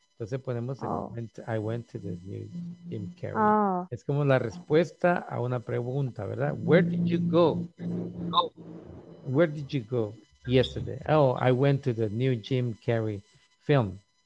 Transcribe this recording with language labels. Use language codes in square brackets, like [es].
[es] Entonces ponemos [en] I went to the new Jim Carrey. Oh. [es] Es como la respuesta a una pregunta, ¿verdad? [en] Where did you go? Where did you go? Yesterday. Oh, I went to the new Jim Carrey film.